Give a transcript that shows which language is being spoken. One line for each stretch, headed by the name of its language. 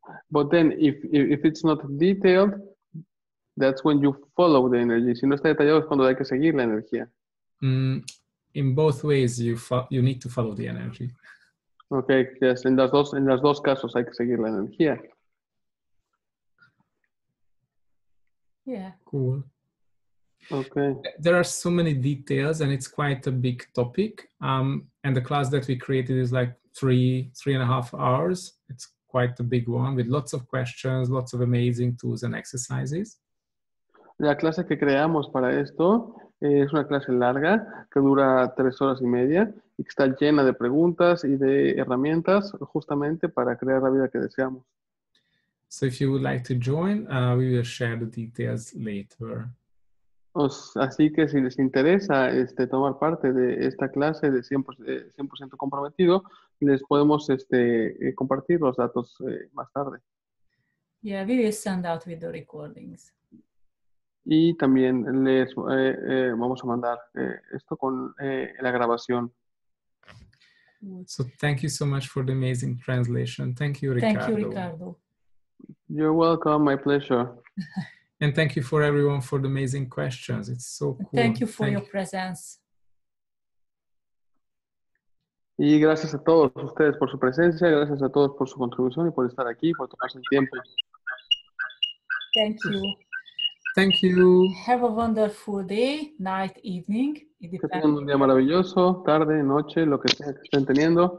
English: But then if it's not detailed, that's when you follow the energy.
Spanish: Si no está detallado es cuando hay que seguir la energía.
English: In both ways, you need to follow the energy. Okay, yes,
Spanish: en las dos casos hay que seguir la energía.
English: Yeah. Cool. Okay. There are so many details, and it's quite a big topic. And the class that we created is like three and a half hours. It's quite a big one with lots of questions, lots of amazing tools and exercises.
Spanish: La clase que creamos para esto es una clase larga que dura 3 horas y media y que está llena de preguntas y de herramientas justamente para crear la vida que deseamos.
English: So if you would like to join, we will share the details later.
Spanish: Así que si les interesa tomar parte de esta clase de 100% comprometido, les podemos compartir los datos más tarde.
English: Yeah, we will send out with the recordings.
Spanish: Y también les vamos a mandar esto con la grabación.
English: So thank you so much for the amazing translation. Thank you, Ricardo. Thank you, Ricardo. You're welcome. My pleasure. And thank you for everyone for the amazing questions. It's so cool. Thank you for your presence.
Spanish: Y gracias a todos ustedes por su presencia, gracias a todos por su contribución y por estar aquí, por tomarse el tiempo.
English: Thank you. Thank you. Have a wonderful day, night, evening.
Spanish: Que tengan un día maravilloso, tarde, noche, lo que sea que estén teniendo.